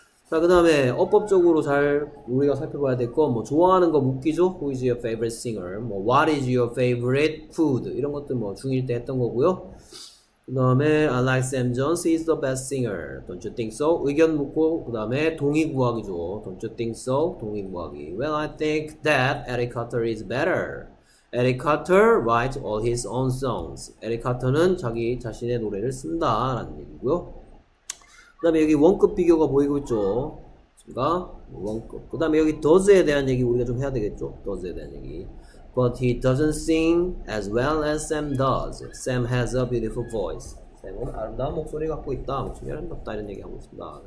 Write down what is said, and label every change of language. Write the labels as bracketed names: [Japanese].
[Korean] 자, 그 다음에 어법적으로 잘 우리가 살펴봐야 될 건 뭐 좋아하는 거 묻기죠? [English] Who is your favorite singer? 뭐 What is your favorite food? [Korean] 이런 것들 뭐 중1 때 했던 거고요. 그 다음에 [English] I like Sam Jones. He's the best singer. Don't you think so? [Korean] 의견 묻고 그 다음에 동의 구하기죠. [English] Don't you think so? [Korean] 동의 구하기. [English] Well, I think that Eric Carter is better. Eric Carter writes all his own songs. [Korean] Eric Carter는 자기 자신의 노래를 쓴다 라는 얘기고요. 그 다음에 여기 원급 비교가 보이고 있죠. 그니까, 원급. 그 다음에 여기 does에 대한 얘기 우리가 좀 해야 되겠죠. does에 대한 얘기. [English] But he doesn't sing as well as Sam does. Sam has a beautiful voice. [Korean] Sam은 아름다운 목소리 갖고 있다. 목소리 아름답다. 이런 얘기 하고 있습니다.